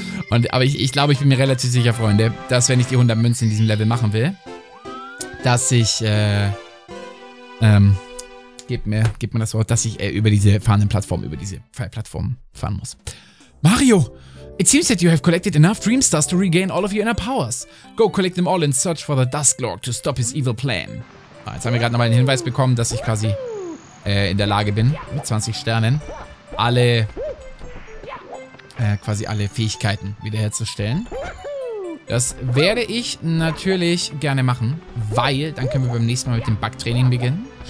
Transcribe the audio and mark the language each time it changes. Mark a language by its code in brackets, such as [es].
[de] Und, aber ich glaube, ich bin mir relativ sicher, Freunde, dass wenn ich die 100 Münzen in diesem Level machen will, dass ich, gib mir das Wort, dass ich über diese fahrenden Plattformen, über diese Pfeilplattformen fahren muss. [en] Mario, it seems that you have collected enough dream stars to regain all of your inner powers. Go collect them all in search for the Dusklord to stop his evil plan. [de] Ah, jetzt haben wir gerade nochmal den Hinweis bekommen, dass ich quasi in der Lage bin, mit 20 Sternen alle Fähigkeiten wiederherzustellen. Das werde ich natürlich gerne machen, weil dann können wir beim nächsten Mal mit dem Bug-Training beginnen.